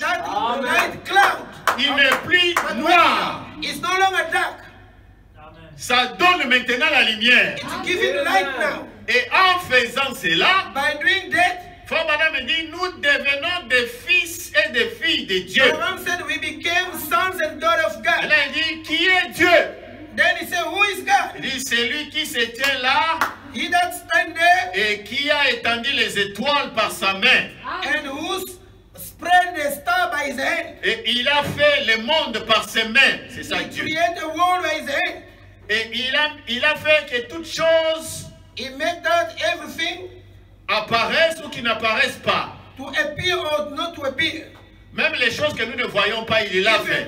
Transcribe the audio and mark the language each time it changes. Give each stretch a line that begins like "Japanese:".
English: That cloud.
French: Il n'est plus noir.
English: It's no longer dark.
French: Ça donne maintenant la lumière.
English: It's giving light now.
French: Et en faisant cela,
English: by doing that,
French: Frère Madame dit, nous devenons des fils et des filles de Dieu.
English: Said we became sons and daughters of God.
French: Elle a dit, qui est Dieu?
English: Then he said, who is God?
French: Il dit, c'est lui qui se tient là.
English: He that stand there.
French: Et qui a étendu les étoiles par sa main.
English: And who spread the star by his hand.
French: Et il a fait le monde par ses mains. C'est ça
English: he
French: Dieu.
English: He created the world by his hand.
French: Et il a fait que toutes choses.
English: He made that everything
French: apparaissent ou qui n'apparaissent pas.
English: To appear or not to appear.
French: Même les choses que nous ne voyons pas, il l'a fait.